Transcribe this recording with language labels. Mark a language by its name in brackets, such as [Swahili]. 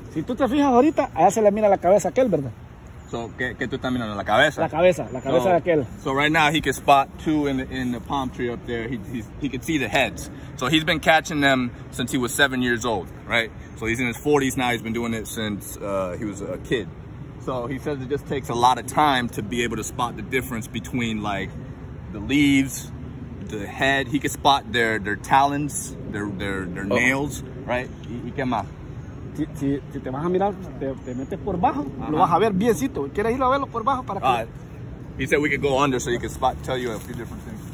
[Spanish] Si tú te fijas ahorita, allá se le mira la cabeza a aquel, ¿verdad? So, ¿qué tú estás mirando? ¿La cabeza? La cabeza de aquel. [English] So, right now, he can spot two in the palm tree up there. He can see the heads. So, he's been catching them since he was 7 years old, right? So, he's in his 40s now. He's been doing it since he was a kid. So he says it just takes a lot of time to be able to spot the difference between like the leaves, the head. He can spot their talons, their oh. Nails, right? [Spanish] ¿Y qué más? Si te vas a mirar, te metes por bajo, lo vas a ver biencito. ¿Quieres ir a verlo por bajo para que? [English] He said we could go under so he could spot, tell you a few different things.